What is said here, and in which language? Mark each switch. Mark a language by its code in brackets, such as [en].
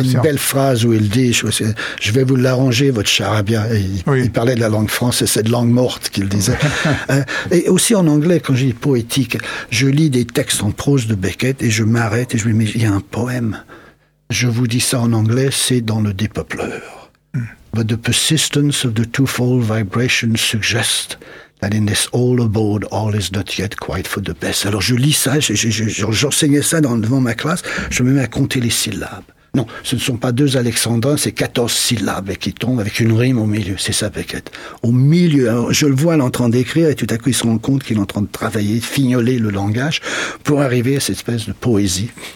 [fr] Il y a une belle phrase où il dit, je vais vous l'arranger, votre charabia. Il parlait de la langue française, cette langue morte qu'il disait. Et aussi en anglais, quand je dis poétique, je lis des textes en prose de Beckett et je m'arrête et je me dis, mais il y a un poème. Je vous dis ça en anglais, c'est dans le Dépeupleur. [en] Mm. « But the persistence of the twofold vibration suggests » that in this old abode, all is not yet quite for the best. [fr] Alors je lis ça, j'enseignais ça devant ma classe, je me mets à compter les syllabes. Non, ce ne sont pas deux alexandrins, c'est 14 syllabes et qui tombent avec une rime au milieu. C'est ça, Beckett. Au milieu, alors je le vois, il est en train d'écrire et tout à coup il se rend compte qu'il est en train de travailler, de fignoler le langage pour arriver à cette espèce de poésie.